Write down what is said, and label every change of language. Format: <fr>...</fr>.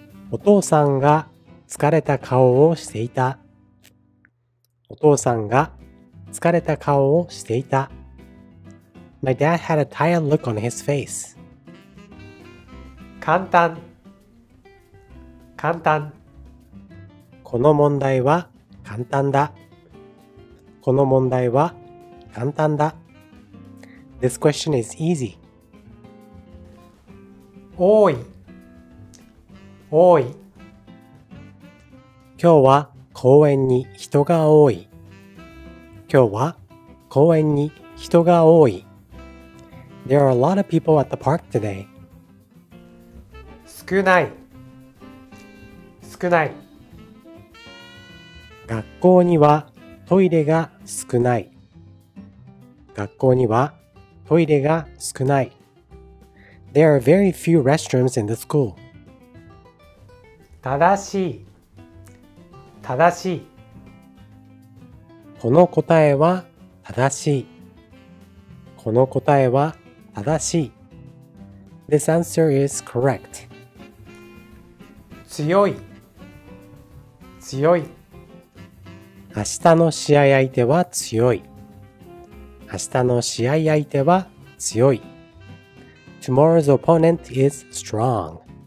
<ja>お父さんが疲れた顔をしていた。お父さんが疲れた顔をしていた。</ja> <en>My dad had a tired look on his face.</en> <ja>簡単、簡単。この問題は簡単だ。この問題は簡単だ。</ja> <en>This question is easy.</en> <ja>多い、多い。今日は公園に人が多い。今日は公園に人が多い。</ja> <en>There are a lot of people at the park today.</en> <ja>少ない、少ない。学校にはトイレが少ない。学校にはトイレが少ない。</ja> <en>There are very few restrooms in the school.</en> <ja>正しい、正しい。この答えは正しい。この答えは正しい。</ja> <en>This answer is correct.</en> <ja>強い、強い。明日の試合相手は強い。明日の試合相手は強い。</ja> <en>Tomorrow's opponent is strong.</en>